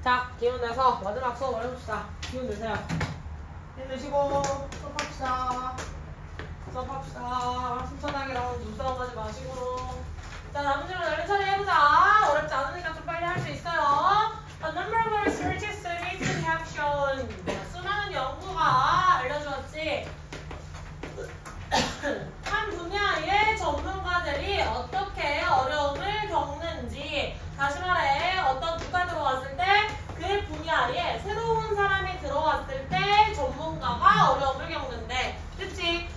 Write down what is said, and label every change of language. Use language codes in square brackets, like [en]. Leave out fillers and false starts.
[ko] 자, 기운 내서 마지막 수업을 해봅시다. 기운 내세요. 힘 내시고 수업합시다. 수업합시다. 순천하게 눈싸움하지 마시고. 자, 남은 질문 얼른 처리해보자. 어렵지 않으니까 좀 빨리 할 수 있어요. [en] A number of researches recently have shown. [ko] 수많은 연구가 알려주었지. 한 분야의 전문가들이 어떻게 어려움을 겪는지. 다시 말해, 어떤 국가 들어왔을 때 그 분야에 새로운 사람이 들어왔을 때 전문가가 어려움을 겪는데, 그치?